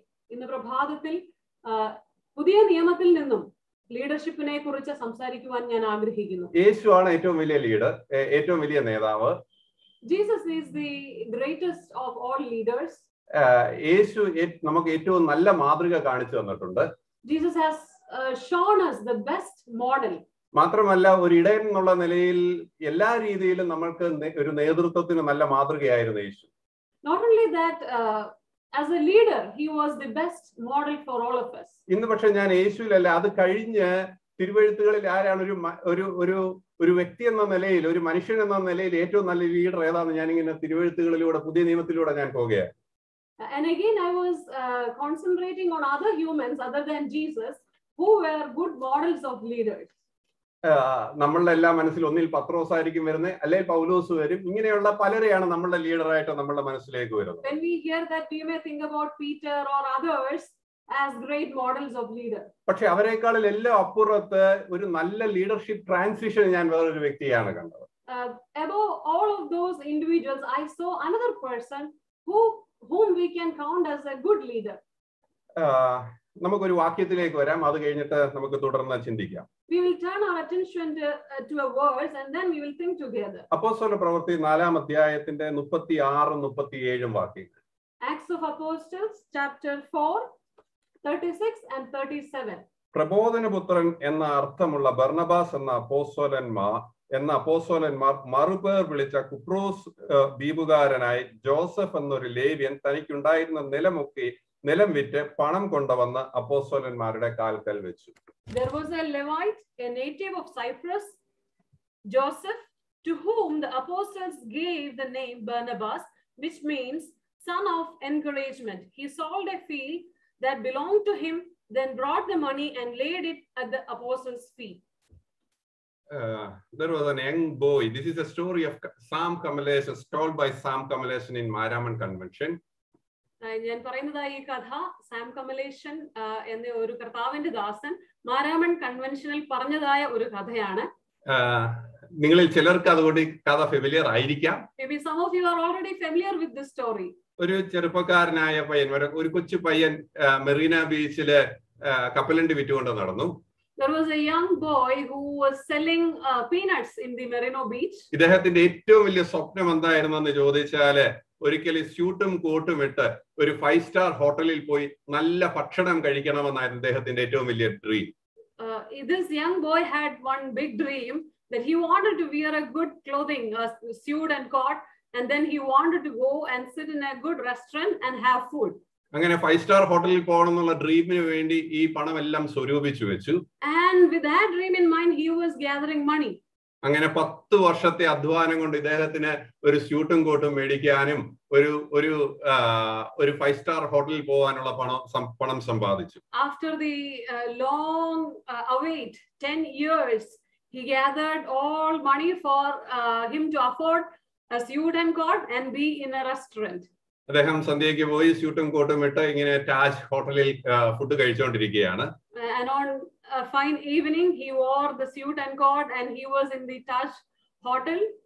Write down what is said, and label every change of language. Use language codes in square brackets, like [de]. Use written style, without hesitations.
[ml] ഇന്ന് പ്രഭാതത്തിൽ പുതിയ നിയമത്തിൽ നിന്നും ലീഡർഷിപ്പിനെ കുറിച്ച് സംസാരിക്കുവാൻ ഞാൻ ആഗ്രഹിക്കുന്നു. യേശുവാണ് ഏറ്റവും വലിയ ലീഡർ, ഏറ്റവും വലിയ നേതാവ്. [en] Jesus is the greatest of all leaders. [ml] യേശു നമുക്ക് ഏറ്റവും നല്ല മാതൃക കാണിച്ചു തന്നിട്ടുണ്ട്. [en] Jesus has shown us the best model. [ml] മാത്രമല്ല ഒരു ഇടയൻ എന്നുള്ള നിലയിൽ എല്ലാ രീതിയിലും നമുക്ക് ഒരു നേതൃത്വത്തിന് നല്ല മാതൃകയായിരുന്നു യേശു. [en] Not only that, as a leader, he was the best model for all of us. [ml] ഇന്ന് പക്ഷേ ഞാൻ യേശുവിൽ അല്ല, അത് കഴിഞ്ഞ് തിരുവെഴുത്തുകളിൽ ആരാണ് ഒരു വ്യക്തി എന്ന നിലയിൽ, ഒരു മനുഷ്യൻ എന്ന നിലയിൽ ഏറ്റവും നല്ല ലീഡർ ഏതാണെന്ന് ഞാൻ ഇങ്ങനെ തിരുവെഴുത്തുകളിലൂടെ പുതിയ നിയമത്തിലൂടെ ഞാൻ പോകുകയാണ്. [en] And again, I was concentrating on other humans other than Jesus who were good models of leaders. [ml] നമ്മളുടെ എല്ലാ മനസ്സിൽ ഒന്നിൽ പത്രോസ് ആയിരിക്കും വരുന്നത്, അല്ലെങ്കിൽ പൗലോസ് വരും, ഇങ്ങനെയുള്ള പലരെയാണ് നമ്മളുടെ ലീഡർ ആയിട്ട് നമ്മളുടെ മനസ്സിലേക്ക് വരുന്നത്. [en] When we hear that, we may think about Peter or others as great models of leader. [ml] പക്ഷേ അവരെക്കാളിൽ എല്ലാ അപ്പുറത്ത് ഒരു നല്ല ലീഡർഷിപ്പ് ട്രാൻസിഷൻ ഞാൻ വേറൊരു വ്യക്തിയാണ് കണ്ടത്. [en] Above all of those individuals, I saw another person whom we can count as a good leader. [ml] നമുക്ക് ഒരു വാക്യത്തിലേക്ക് വരാം, അത് കഴിഞ്ഞിട്ട് നമുക്ക് തുടർന്ന് ചിന്തിക്കാം. [en] We will turn our attention to a verse and then we will think together. [ml] അപ്പോസ്തല പ്രവൃത്തി 4 അധ്യായത്തിന്റെ 36 37 വാക്യങ്ങൾ. [en] Acts of Apostles chapter 4 36 and 37. [ml] പ്രബോധനപുത്രൻ എന്ന അർത്ഥമുള്ള ബർണബാസ് എന്ന അപ്പോസ്തലന്മാർ മറുപേർ വിളിച്ച കുപ്രോസ് ദ്വീപുകാരനായി ജോസഫ് എന്നൊരു ലേവ്യൻ തനിക്കുണ്ടായിരുന്ന നിലം വിറ്റ് പണം കൊണ്ടുവന്ന് അപ്പോസ്തലന്മാരുടെ കാൽക്കൽ വെച്ചു. [en] There was a Levite, a native of Cyprus, Joseph, to whom the apostles gave the name Barnabas, which means son of encouragement. He sold a field that belonged to him, then brought the money and laid it at the apostles' feet. There was an young boy. This is a story of Sam Kamalesh, told by Sam Kamalesh in Maraman convention. [ml] ഞാൻ പറയുന്നതായി ഈ കഥ Sam കമലേശൻ എന്ന ഒരു കർത്താവിന്റെ ദാസൻ മാരാമൺ കൺവെൻഷനിൽ പറഞ്ഞതായ ഒരു കഥയാണ്. നിങ്ങളിൽ ചിലർക്ക് അതുകൊണ്ട് കഥ ഫെമിലിയർ ആയിരിക്കാം. [en] Maybe some of you are already familiar with this story. [ml] ഒരു ചെറുപ്പക്കാരനായ പയ്യൻ, ഒരു കൊച്ചു പയ്യൻ മെറീന ബീച്ചിലെ കപ്പലണ്ടി വിറ്റുകൊണ്ട് നടന്നു. [en] There was a young boy who was selling peanuts in the Merino beach. [ml] ഇദ്ദേഹത്തിന്റെ ഏറ്റവും വലിയ സ്വപ്നം എന്തായിരുന്നെന്ന് ചോദിച്ചാൽ, ഒരിക്കൽ സ്യൂട്ടും കോട്ടും ഇട്ട് ഒരു 5-star ഹോട്ടലിൽ പോയി നല്ല ഭക്ഷണം കഴിക്കണമെന്നായിരുന്നു അദ്ദേഹത്തിന്റെ ഏറ്റവും വലിയ dream. [en] This young boy had one big dream that he wanted to wear a good clothing, a suit and coat, and then he wanted to go and sit in a good restaurant and have food. [ml] അങ്ങനെ 5-star ഹോട്ടലിൽ പോകണം എന്നുള്ള ഡ്രീമിന് വേണ്ടി ഈ പണം എല്ലാം സ്വരൂപിച്ചു വെച്ചു. [en] And with that dream in mind, he was gathering money. [ml] അങ്ങനെ 10 വർഷത്തെ അധ്വാനം കൊണ്ട് ഇദ്ദേഹത്തിന് ഒരു സ്യൂട്ടും കോട്ടും മേടിക്കാനും ഒരു ഒരു ഒരു 5-star ഹോട്ടലിൽ പോകാനുള്ള പണം സമ്പാദിച്ചു. [en] After the long await 10 years he gathered all money for him to afford a suit and coat and be in a restaurant. [ml] അദ്ദേഹം സന്ധ്യയ്ക്ക് പോയി സ്യൂട്ടും കോട്ടും ഇട്ട് ഇങ്ങനെ താജ് ഹോട്ടലിൽ food കഴിച്ചുകൊണ്ടിരിക്കുകയാണ്. [en] A fine evening he wore the suit and coat and he was in the Taj hotel.